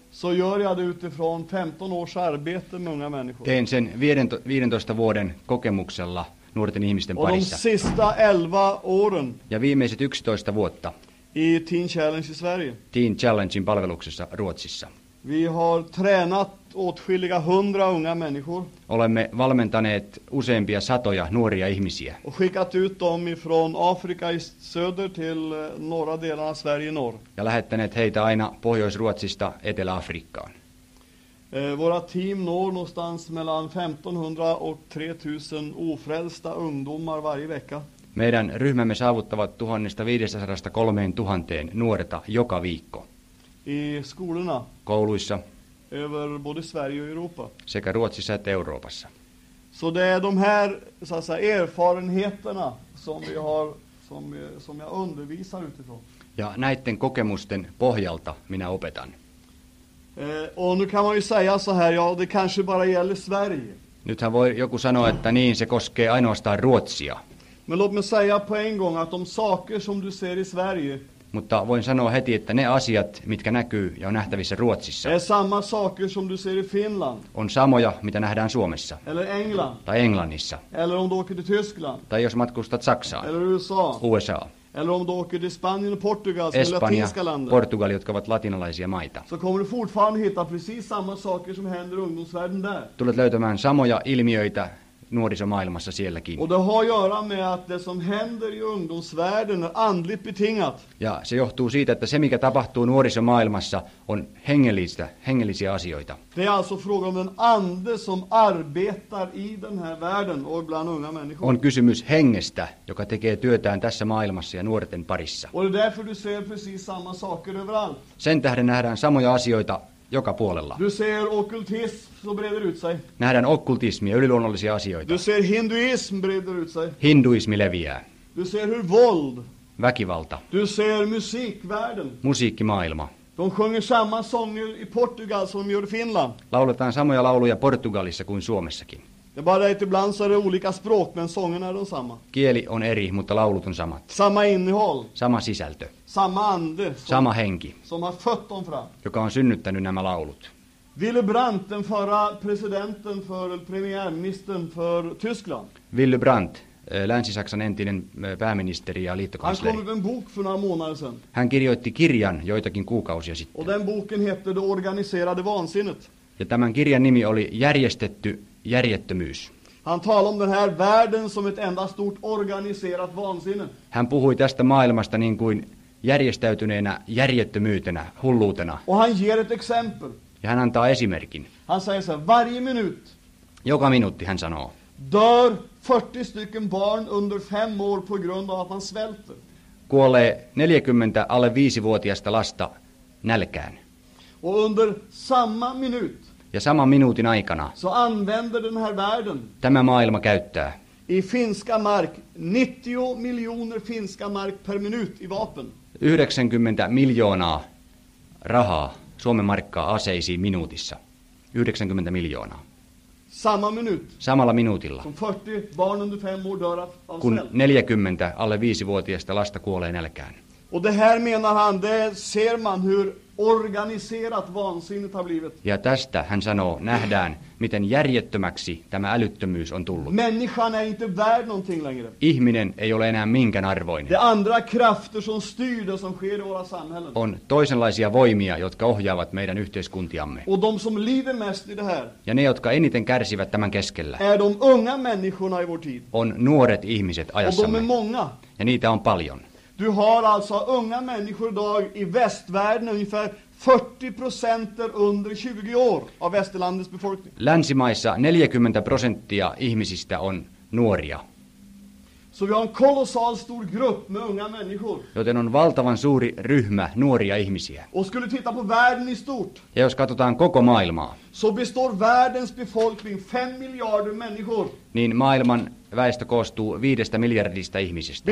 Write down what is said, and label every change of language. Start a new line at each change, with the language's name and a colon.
Swedish: Så gör jag det utifrån 15 års arbete med unga människor.
Finnish: Teen sen 15 vuoden kokemuksella nuorten ihmisten parissa.
Swedish: Och de sista 11 åren.
Finnish: Ja viimeiset 11 vuotta.
Swedish: I Teen Challenge i Sverige.
Finnish: Teen Challengein palveluksessa Ruotsissa.
Swedish: Vi har tränat åtskilliga 100 unga människor.
Finnish: Olemme valmentaneet useampia satoja nuoria ihmisiä.
Swedish: Och skickat ut dem ifrån Afrika i söder till norra delen av Sverige i norr.
Finnish: Ja lähettäneet heitä aina Pohjois-Ruotsista Etelä-Afrikkaan.
Swedish: Våra team når någonstans mellan 1500 och 3000 ofrälsta ungdomar varje vecka.
Finnish: Meidän ryhmämme saavuttavat 1500-3000 nuorta joka viikko.
Swedish: I skolorna.
Finnish: Kouluissa.
Swedish: Över både Sverige och Europa.
Finnish: Sekä Ruotsissa että Euroopassa.
Swedish: Så det är de här så att säga, erfarenheterna som vi har som jag undervisar utifrån.
Finnish: Ja näitten kokemusten pohjalta minä opetan.
Swedish: Och nu kan man ju säga så här, ja det kanske bara gäller Sverige.
Finnish: Nythän voi joku sanoa, että niin se koskee ainoastaan Ruotsia.
Swedish: Men låt mig säga på en gång att de saker som du ser i Sverige.
Finnish: Mutta voin sanoa heti, että ne asiat, mitkä näkyy ja on nähtävissä Ruotsissa,
Swedish: är samma saker som du ser i Finland.
Finnish: On samoja, mitä nähdään Suomessa.
Swedish: Eller England.
Finnish: Tai Englannissa.
Swedish: Eller om du åker till Tyskland.
Finnish: Tai jos matkustat Saksaan.
Swedish: Eller USA.
Finnish: USA.
Swedish: Eller om du åker till Spanien och Portugal,
Finnish: Espanja,
Swedish: latinska länder.
Finnish: Espanja, Portugal, jotka ovat latinalaisia maita.
Swedish: Så kommer du fortfarande hitta precis samma saker som händer i ungdomsvärlden där.
Finnish: Tulet löytämään samoja ilmiöitä. Nuorisomaailmassa sielläkin.
Swedish: Och det har att göra med att det som händer i ungdomsvärlden är andligt betingat.
Finnish: Ja se johtuu siitä, että se mikä tapahtuu nuorisomaailmassa on hengellisiä asioita.
Swedish: Det är alltså fråga om en ande som arbetar i den här världen och bland unga människor.
Finnish: On kysymys hengestä, joka tekee työtään tässä maailmassa ja nuorten parissa.
Swedish: Och det är därför du ser precis samma saker överallt.
Finnish: Sen tähden nähdään samoja asioita joka puolella.
Swedish: Du ser okkultism som breder ut sig.
Finnish: Nähdään okkultismia, yliluonnollisia asioita.
Swedish: Du ser hinduism breder ut sig.
Finnish: Hinduismi leviää.
Swedish: Du ser hur våld.
Finnish: Väkivalta.
Swedish: Du ser musikvärlden.
Finnish: Musiikkimaailma.
Swedish: De sjunger samma sånger i Portugal som gör i Finland.
Finnish: Lauletaan samoja lauluja Portugalissa kuin Suomessakin.
Swedish: Det bara är ibland så är det olika språk, men sångerna är de samma.
Finnish: Kieli on eri, mutta laulut on samat.
Swedish: Samma innehåll.
Finnish: Samma sisältö.
Swedish: Samma ande. Som,
Finnish: sama henki.
Swedish: Som har fött dem fram.
Finnish: Joka on synnyttänyt nämä laulut.
Swedish: Willy Brandt, den förra presidenten för premiärministern för Tyskland.
Finnish: Willy Brandt, Länsi-Saksan entinen pääministeri ja liittokansleri.
Swedish: Han skrev en bok för några månader sedan.
Finnish: Hän kirjoitti kirjan joitakin kuukausia sitten.
Swedish: Och den boken hette Det organiserade vansinnet.
Finnish: Ja tämän kirjan nimi oli Järjestetty järjettömyys.
Swedish: Han talade om den här världen som ett enda stort organiserat vansinne.
Finnish: Hän puhui tästä maailmasta niin kuin järjestäytyneenä järjettömyytenä, hulluutena.
Swedish: Och han ger ett exempel.
Finnish: Ja hän antaa esimerkin.
Swedish: Han säger så, varje minut.
Finnish: Joka minuutti hän sanoo.
Swedish: Dör 40 stycken barn under 5 år på grund av att man svälter.
Finnish: Kuolee 40 alle 5-vuotiasta lasta nälkään.
Swedish: Och under samma minut.
Finnish: Ja saman minuutin aikana.
Swedish: Så använder den här världen.
Finnish: Tämä maailma käyttää.
Swedish: I finska mark 90 miljoner finska mark per minut i vapen.
Finnish: 90 miljoonaa rahaa. Suomen markkaa aseisiin minuutissa. 90 miljoonaa.
Swedish: Samma minut.
Finnish: Samalla minuutilla.
Swedish: Kun 40 barn under 5 år dör av svält.
Finnish: Kun 40 alle 5-vuotiaista lasta kuolee nälkään.
Swedish: Och det här menar han, det ser man hur organiserat vansinnet har blivit.
Finnish: Ja tästä hän sanoo, nähdään, miten järjettömäksi tämä älyttömyys on tullut.
Swedish: Människan är inte värd någonting längre.
Finnish: Ihminen ei ole enää minkään arvoinen.
Swedish: Det andra krafter som styr det som sker i våra samhällen.
Finnish: On toisenlaisia voimia, jotka ohjaavat meidän yhteiskuntiamme.
Swedish: Och de som lider mest i det här.
Finnish: Ja ne, jotka eniten kärsivät tämän keskellä.
Swedish: Är de unga människorna i vår tid.
Finnish: On nuoret ihmiset ajassamme.
Swedish: Och de är många.
Finnish: Ja niitä on paljon.
Swedish: Du har alltså unga människor idag i västvärlden ungefär 40% under 20 år av västerlandets befolkning.
Finnish: Länsimaissa 40% ihmisistä on nuoria.
Swedish: Så vi har en kolossal stor grupp med unga människor.
Finnish: Joten on valtavan suuri ryhmä nuoria ihmisiä.
Swedish: Och skulle titta på världen i stort.
Finnish: Ja jos katsotaan koko maailmaa.
Swedish: Så består världens befolkning 5 miljarder människor.
Finnish: Niin maailman väestö koostuu 5 miljardista ihmisistä.